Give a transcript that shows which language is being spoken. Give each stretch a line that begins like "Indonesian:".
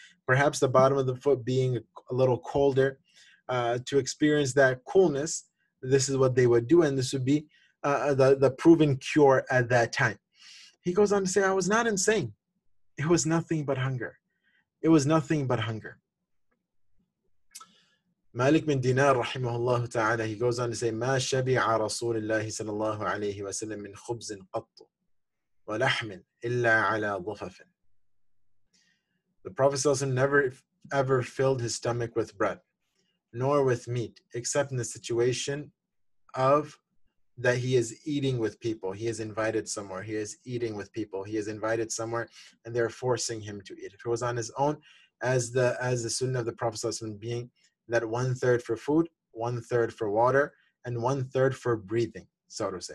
English: Perhaps the bottom of the foot being a little colder, to experience that coolness, this is what they would do, and this would be the proven cure at that time. He goes on to say, I was not insane. It was nothing but hunger. It was nothing but hunger.
Arabic: Malik bin Dinar, rahimahullah ta'ala, he goes on to say, ما شبع رسول الله صلى الله عليه وسلم من خبز قط ولحم إلا على ضفف.
English: The Prophet never ever filled his stomach with bread, nor with meat, except in the situation of that he is eating with people. He is invited somewhere. He is eating with people. He is invited somewhere, and they're forcing him to eat. If it was on his own, as the sunnah of the Prophet being that one-third for food, one-third for water, and one-third for breathing, so to say.